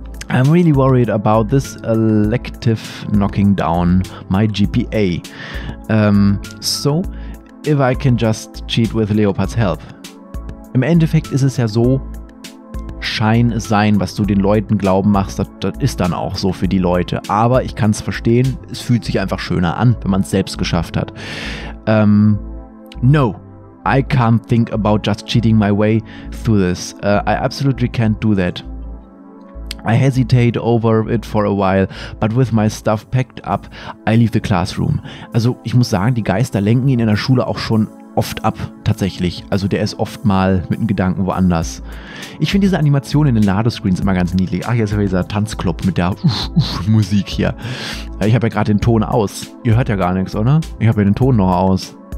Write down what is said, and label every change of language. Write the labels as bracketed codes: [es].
[en] I'm really worried about this elective knocking down my GPA. So, if I can just cheat with Leopard's help. [de] Im Endeffekt ist es ja so, Schein ist Sein, was du den Leuten glauben machst, das ist dann auch so für die Leute. Aber ich kann es verstehen, es fühlt sich einfach schöner an, wenn man es selbst geschafft hat. [en] No. I can't think about just cheating my way through this. I absolutely can't do that. I hesitate over it for a while, but with my stuff packed up, I leave the classroom. [de] Also ich muss sagen, die Geister lenken ihn in der Schule auch schon oft ab, tatsächlich. Also der ist oft mal mit den Gedanken woanders. Ich finde diese Animation in den Ladescreens immer ganz niedlich. Ach, hier ist ja dieser Tanzclub mit der Musik hier. Ich habe ja gerade den Ton aus. Ihr hört ja gar nichts, oder? Ich habe ja den Ton noch aus.